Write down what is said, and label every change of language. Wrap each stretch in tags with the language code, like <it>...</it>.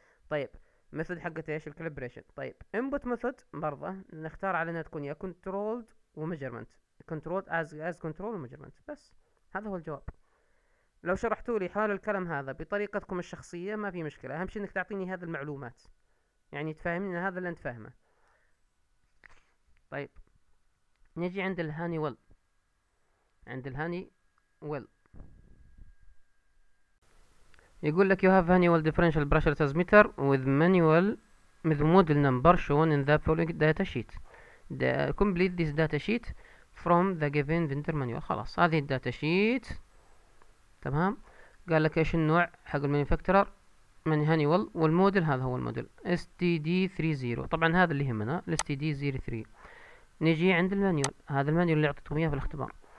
<ar>طيب ميثود حقت ايش الكالبريشن. طيب انبوت ميثود برضه نختار على انها تكون يا كنترولد وميجرمنت، كنترولد از كنترول وميجرمنت بس. هذا هو الجواب. لو شرحتوا لي حال الكلام هذا بطريقتكم الشخصية ما في مشكلة، أهم شيء إنك تعطيني هذه المعلومات، يعني تفهمني هذا اللي أنت فاهمه. طيب نجي عند الهاني ويل. عند الهاني ويل يقول لك</ar> <en>you have annual differential pressure transmitter with manual with model number shown in the following data sheet. Complete this data sheet from the given vendor manual.</en> <ar>خلاص هذه الداتا شيت تمام. قال لك ايش النوع حق المانيفاكتشرر من هانيوال، والموديل هذا هو الموديل STD30. طبعا هذا اللي يهمنا STD03. نجي عند المانيوال، هذا المانيوال اللي اعطيتكم اياه في الاختبار.</ar>